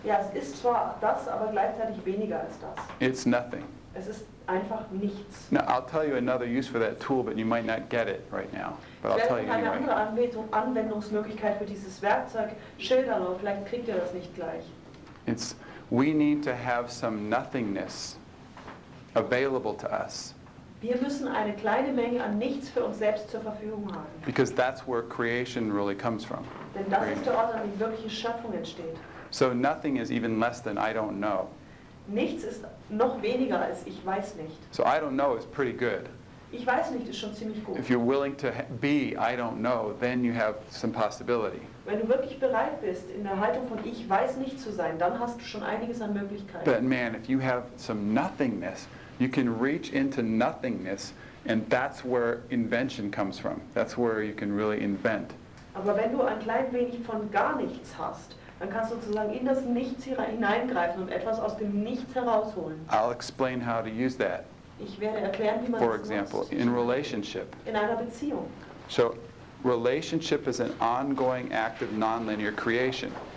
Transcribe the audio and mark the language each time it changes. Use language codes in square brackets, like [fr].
[de] Ja, es ist zwar das, aber gleichzeitig weniger als das. [en] It's nothing. [de] Es ist einfach nichts. [en] Now, I'll tell you another use for that tool, but you might not get it right now. But I'll tell you anyway. [de] Ich werde eine andere Anwendungsmöglichkeit für dieses Werkzeug schildern, aber vielleicht kriegt ihr das nicht gleich. [en] It's, we need to have some nothingness available to us. [de] Wir müssen eine kleine Menge an nichts für uns selbst zur Verfügung haben. [en] Because that's where creation really comes from. [de] Denn das ist der Ort, an dem wirkliche Schöpfung entsteht. [en] So nothing is even less than I don't know. [de] Nichts ist noch weniger als ich weiß nicht. [en] So I don't know is pretty good. [de] Ich weiß nicht ist schon ziemlich gut. [en] If you're willing to be I don't know, then you have some possibility. [de] Wenn du wirklich bereit bist, in der Haltung von ich weiß nicht zu sein, dann hast du schon einiges an Möglichkeiten. [en] But man, if you have some nothingness, you can reach into nothingness, and that's where invention comes from. That's where you can really invent. [de] Aber wenn du ein klein wenig von gar nichts hast, dann kannst du sozusagen in das Nichts hineingreifen und etwas aus dem Nichts herausholen. [en] I'll explain how to use that. [de] Ich werde erklären, wie man [en] for example, [de] nutzt. [en] In relationship. [de] In einer Beziehung. [en] So, relationship is an ongoing act of nonlinear creation.